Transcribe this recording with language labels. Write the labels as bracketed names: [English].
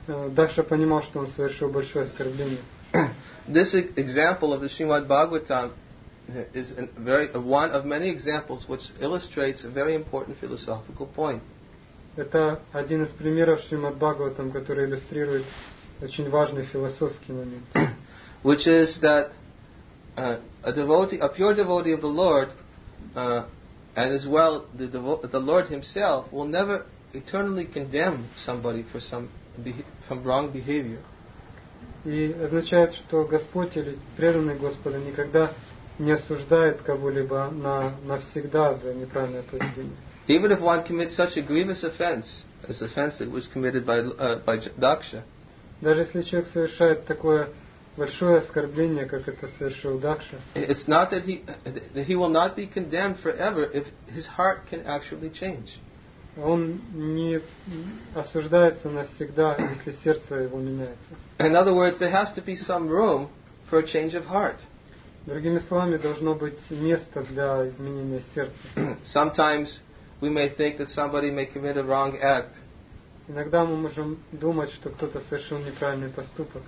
[Russian] Дакша понимал, что он совершил большое оскорбление. [English] This example of the Srimad Bhagavatam is one of many examples which illustrates a very important philosophical point. [Russian] Это один из примеров Шримад Бхагаватам, который иллюстрирует очень важный философский момент. [English] Which is that a pure devotee of the Lord, and as well the Lord himself, will never eternally condemn somebody for some wrong behavior. [Russian] И означает, что Господь или преданный Господа никогда не осуждает кого-либо навсегда за неправильное поведение. [English] Even if one commits such a grievous offense as the offense that was committed by Daksha. [Russian] Даже если человек совершает такое большое оскорбление, как это совершил Дакша. [English] It's not that he will not be condemned forever if his heart can actually change. [Russian] Он не осуждается навсегда, если сердце его меняется. [English] In other words, there has to be some room for a change of heart. [Russian] Другими словами, должно быть место для изменения сердца. [English] Sometimes we may think that somebody may commit a wrong act. [Russian] Иногда мы можем думать, что кто-то совершил неправильный поступок.